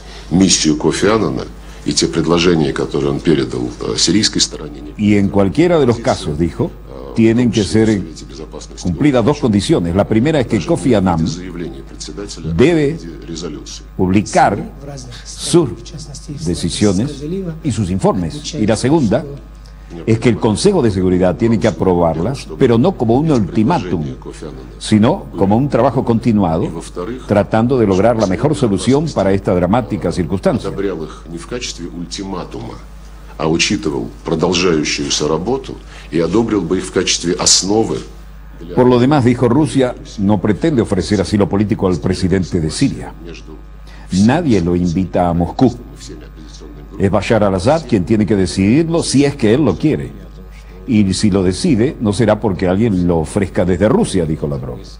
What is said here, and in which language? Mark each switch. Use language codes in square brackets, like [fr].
[ru] Миссию Кофи Аннана и те предложения, которые он передал сирийской стороне. [es] Y en cualquiera de los casos, dijo, tienen que ser cumplidas dos condiciones. La primera es que Кофи Аннан debe publicar sus decisiones y sus informes. Y la segunda es que el Consejo de Seguridad tiene que aprobarlas, pero no como un ultimátum, sino como un trabajo continuado, tratando de lograr la mejor solución para esta dramática circunstancia. [ru] Не в качестве ультиматума, а учитывал продолжающуюся работу и одобрил бы их в качестве основы. [es] Por lo demás, dijo, Rusia no pretende ofrecer asilo político al presidente de Siria. Nadie lo invita a Moscú. Es Bashar al-Assad quien tiene que decidirlo, si es que él lo quiere. Y si lo decide, no será porque alguien lo ofrezca desde Rusia, dijo Lavrov.